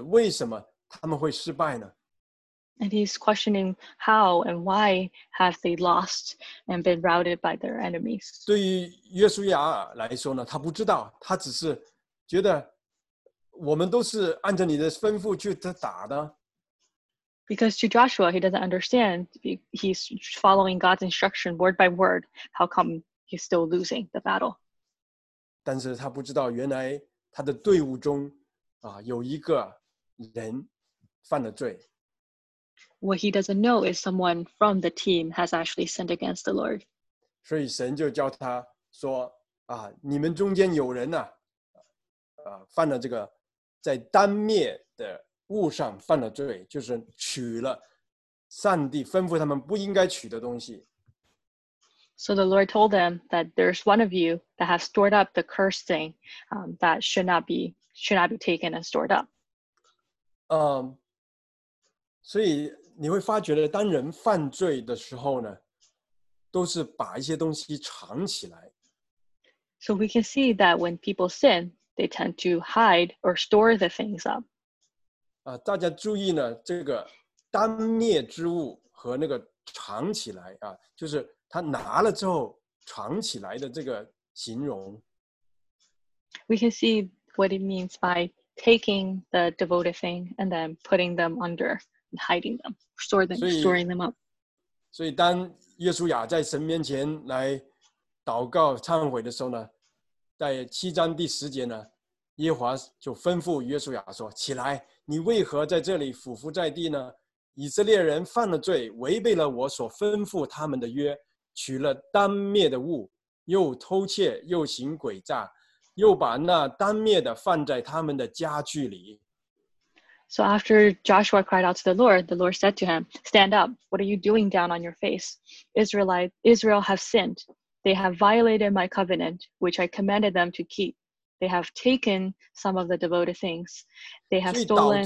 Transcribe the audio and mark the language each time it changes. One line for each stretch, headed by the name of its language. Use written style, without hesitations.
Chinese: 为什么他们会失败呢？
English: And he's questioning how and why have they lost and been routed by their enemies.
Chinese: 对于约书亚来说呢，他不知道，他只是觉得我们都是按照你的吩咐去打的。
English: Because to Joshua, he doesn't understand. He's following God's instruction word by word. How come he's still losing the battle?
Chinese: 但是他不知道，原来他的队伍中啊有一个人犯了罪。
English: What he doesn't know is someone from the team has actually sinned against the Lord.
Chinese: 所以神就教他说啊，你们中间有人呢，犯了这个在当灭的物上犯了罪，就是取了上帝吩咐他们不应该取的东西。
English: So the Lord told them that there's one of you that has stored up the cursed thing, that should not be taken and stored up.
Chinese: 所以你会发觉的，当人犯罪的时候呢，都是把一些东西藏起来。
English: So we can see that when people sin, they tend to hide or store the things up.
Chinese: 大家注意呢，这个当灭之物和那个藏起来啊，就是他拿了之后藏起来的这个形容。
English: We can see what it means by taking the devoted thing and then putting them under. Hiding them, storing them up.
Chinese: 所以当约书亚在神面前来祷告忏悔的时候呢，在七章第十节呢，耶和华就吩咐约书亚说：“起来，你为何在这里俯伏在地呢？以色列人犯了罪，违背了我所吩咐他们的约，取了当灭的物，又偷窃，又行诡诈，又把那当灭的放在他们的家具里。”
English: So after Joshua cried out to the Lord said to him, Stand up, what are you doing down on your face? Israel have sinned. They have violated my covenant, which I commanded them to keep. They have taken some of the devoted things. They have stolen, they have lied.